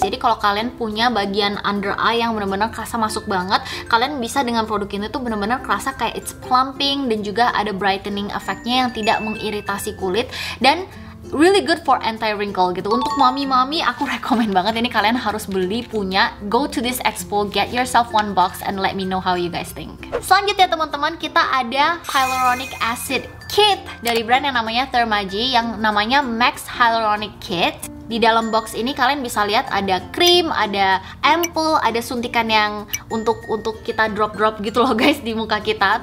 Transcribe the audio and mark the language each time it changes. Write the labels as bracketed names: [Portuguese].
[Indonesian] Jadi kalau kalian punya bagian under eye yang benar-benar kerasa masuk banget, kalian bisa dengan produk ini tuh benar-benar kerasa kayak [English] it's plumping [Indonesian] dan juga ada brightening efeknya yang tidak mengiritasi kulit. Dan [English] really good for anti wrinkle [Indonesian] gitu. Untuk mami-mami aku rekomend banget ini, kalian harus beli punya. [English] Go to this expo, get yourself one box and let me know how you guys think. [Indonesian] Selanjutnya teman-teman, kita ada hyaluronic acid kit dari brand yang namanya Thermage, yang namanya Max Hyaluronic Kit. Di dalam box ini kalian bisa lihat ada krim, ada ampul, ada suntikan yang untuk kita drop-drop gitu loh guys di muka kita.